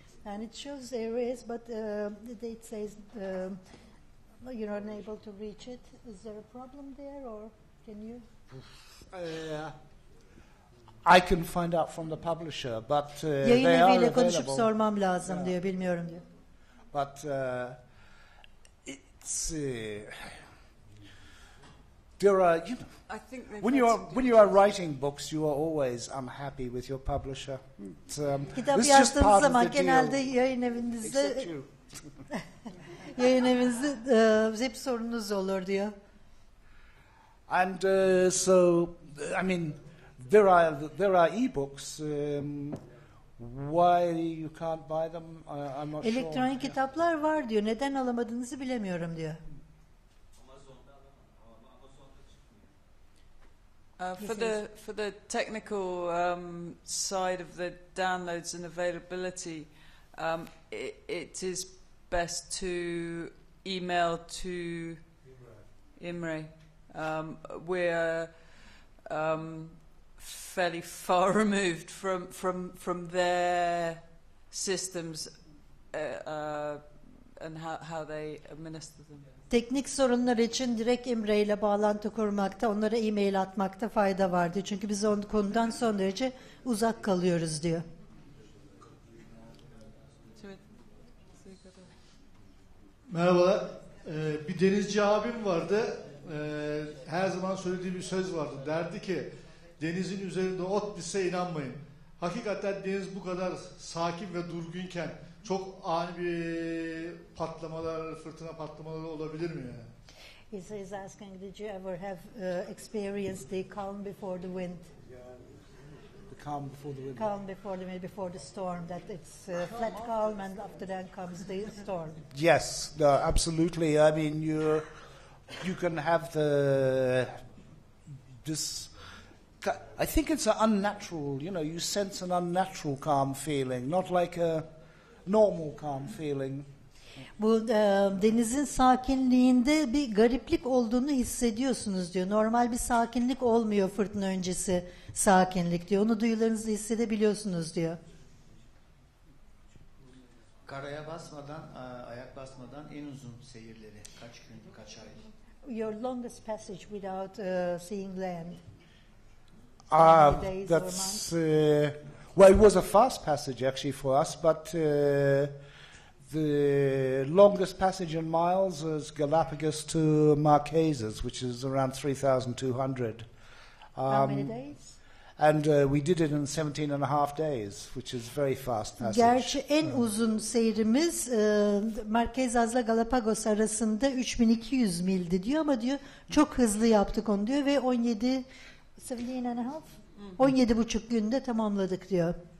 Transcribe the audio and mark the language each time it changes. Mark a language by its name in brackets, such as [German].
[English] And it shows there is but it says you're unable to reach it. Is there a problem there or can you? I can find out from the publisher, but they are available. [Turkish] Yayın eviyle konuşup sormam lazım diyor, bilmiyorum diyor. [English] But it's there are you know. I think when you are writing books, you are always unhappy with your publisher. [Turkish] Kitap yazdığınız zaman genelde yayın evinizde yayın evinizde hep sorununuz olur diyor. [English] And so I mean. There are e-books. Why you can't buy them? I'm not sure. [Turkish] Elektronik kitaplar var diyor. Neden alamadığınızı bilemiyorum diyor. [English] For the technical side of the downloads and availability, it is best to email to Imre. We're fairly far removed from their systems and how they administer them. [Turkish] Teknik sorunlar için direkt Emre ile bağlantı kurmakta, onlara e-mail atmakta fayda vardı. Çünkü biz onun konudan son derece uzak kalıyoruz diyor. Merhaba. Bir denizci abim vardı. Her zaman söylediği bir söz vardı. Derdi ki denizin üzerinde ot bitse inanmayın. Hakikaten deniz bu kadar sakin ve durgunken çok ani bir patlamalar, fırtına patlamaları olabilir mi yani? [English] He is asking, did you ever have experienced the calm before the wind? The calm before the wind. Calm before the wind, before the storm, that it's flat calm and after that comes the storm. Yes, no, absolutely. I mean, you can have this. I think it's an unnatural, you know, you sense an unnatural calm feeling, not like a normal calm feeling. [Turkish] Bu denizin sakinliğinde bir gariplik olduğunu hissediyorsunuz diyor. Normal bir sakinlik olmuyor fırtına öncesi sakinlik diyor. Onu duyularınızda hissedebiliyorsunuz diyor. Karaya basmadan, ayak basmadan en uzun seyirleri kaç gün, kaç ay? [English] Your longest passage without seeing land. That's well, it was a fast passage actually for us, but the longest passage in miles is Galapagos to Marquesas, which is around 3,200. How many days? And we did it in 17 and a half days, which is very fast passage. [Turkish] Gerçi en uzun seyrimiz Marquesas'la Galapagos arasında 3200 mildi diyor ama diyor çok hızlı yaptık onu diyor ve 17.5 günde tamamladık diyor.